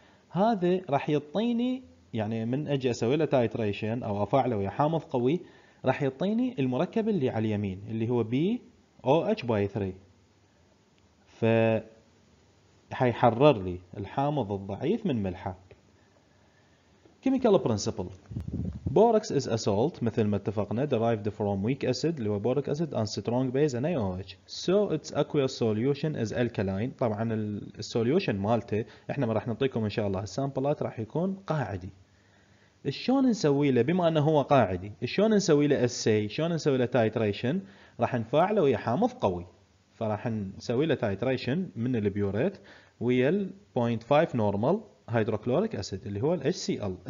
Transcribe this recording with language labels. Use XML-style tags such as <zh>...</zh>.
<ar>هذا راح يعطيني يعني من اجي اسوي له تايتريشن او افعله ويا حامض قوي راح يعطيني المركب اللي على اليمين اللي هو بي او اتش باي 3، ف حيحرر لي الحامض الضعيف من ملحه.</ar> <en>chemical principle, borax is a salt</en> <ar>مثل ما اتفقنا</ar> <en>derived from weak acid</en> <ar>اللي هو</ar> <en>Boric acid and strong base and NaOH. So its aqueous solution is alkaline.</en> <ar>طبعا السوليوشن مالته احنا ما راح نعطيكم ان شاء الله السامبلات راح يكون قاعدي. شلون نسوي له بما انه هو قاعدي؟ شلون نسوي له اسي؟ شلون نسوي له تايتريشن؟ راح نفاعله ويا حامض قوي. فراح نسوي له تايتريشن من البيوريت ويا 0.5 نورمال هيدروكلوريك اسيد اللي هو HCl.</ar>